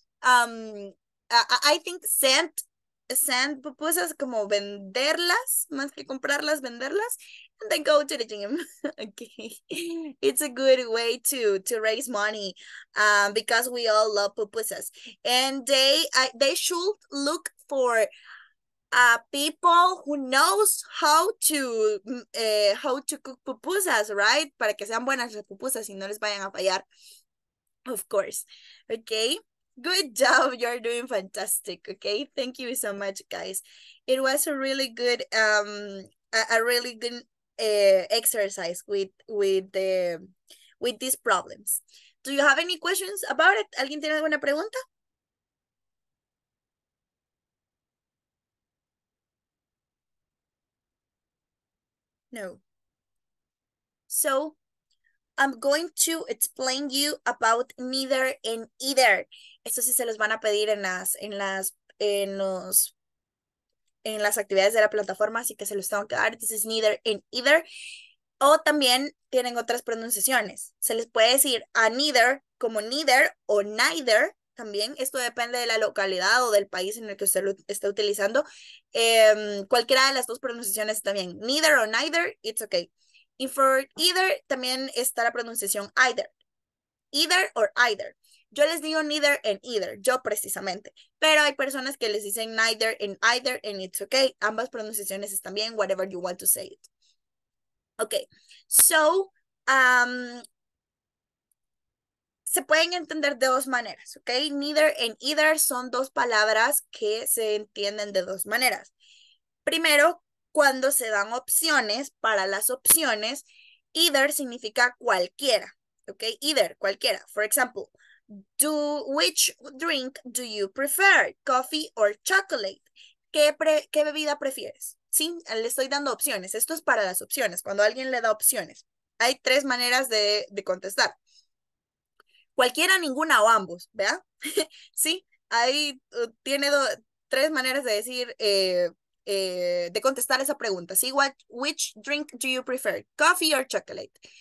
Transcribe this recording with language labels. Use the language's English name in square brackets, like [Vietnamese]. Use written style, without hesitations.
[English] I think send pupusas, [Spanish] como venderlas, más que comprarlas, venderlas. [English] And then go to the gym. Okay. It's a good way to raise money because we all love pupusas. And they should look for people who knows how to cook pupusas, right? [Spanish] Para que sean buenas las pupusas y no les vayan a fallar. [English] Of course. Okay. Good job. You're doing fantastic. Okay. Thank you so much, guys. It was a really good a really good exercise with these problems. Do you have any questions about it? [Spanish] ¿Alguien tiene alguna pregunta? [English] No. So, I'm going to explain you about neither and either. [Spanish] Eso sí se los van a pedir en las actividades de la plataforma, así que se los tengo que dar. [English] This is neither and either. [Spanish] O también tienen otras pronunciaciones. Se les puede decir a neither como neither o neither. También esto depende de la localidad o del país en el que usted lo esté utilizando. Cualquiera de las dos pronunciaciones también. [English] Neither or neither, it's okay. [Spanish] Y for either, también está la pronunciación either. Either or either. Yo les digo neither and either, yo precisamente. Pero hay personas que les dicen neither and either [English] and it's okay. [Spanish] Ambas pronunciaciones están bien, [English] whatever you want to say it. [Spanish] Okay, so, se pueden entender de dos maneras, okay? Neither and either son dos palabras que se entienden de dos maneras. Primero, cuando se dan opciones para las opciones, either significa cualquiera, okay? Either, cualquiera. [English] For example, which drink do you prefer, coffee or chocolate? [Spanish] ¿Qué bebida prefieres? Sí, le estoy dando opciones. Esto es para las opciones, cuando alguien le da opciones. Hay tres maneras de contestar. Cualquiera, ninguna o ambos, ¿verdad? Sí, ahí tiene tres maneras de decir, de contestar esa pregunta. [English] Sí, which drink do you prefer, coffee or chocolate?